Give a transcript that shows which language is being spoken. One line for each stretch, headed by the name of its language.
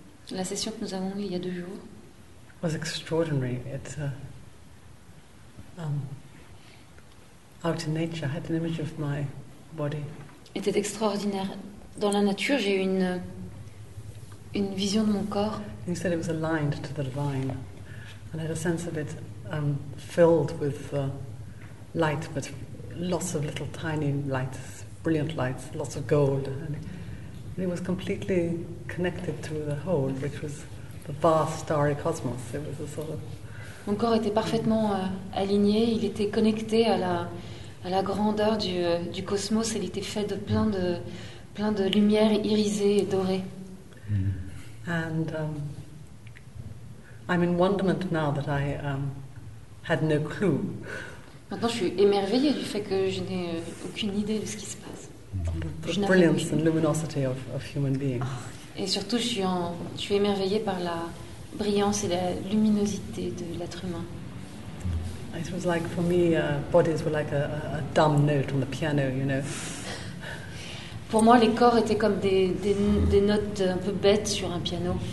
French: La session que nous avons eue il y a 2 jours.
English: Was extraordinary. It's out in nature. I had an image of my body.
French: Était extraordinaire. Dans la nature, j'ai eu une vision de mon corps.
English: You said it was aligned to the divine, and I had a sense of it filled with light, but lots of little tiny lights, brilliant lights, lots of gold, and it was completely connected to the whole, which was the vast starry cosmos. It was a sort of.
French: Mon corps était parfaitement aligné. Il était connecté à la grandeur du cosmos. Il était fait de plein de lumières irisées et dorées.
English: And I'm in wonderment now that I had no clue.
French: Maintenant, je suis émerveillée du fait que je n'ai aucune idée de ce qui se passe.
English: The brilliance and luminosity of human beings.
French: Et surtout, je suis émerveillée par la brillance et la luminosité de l'être humain.
English: It was like for me, bodies were like a dumb note on the piano, you know.
French: Pour moi, les corps étaient comme des notes un peu bêtes sur un piano.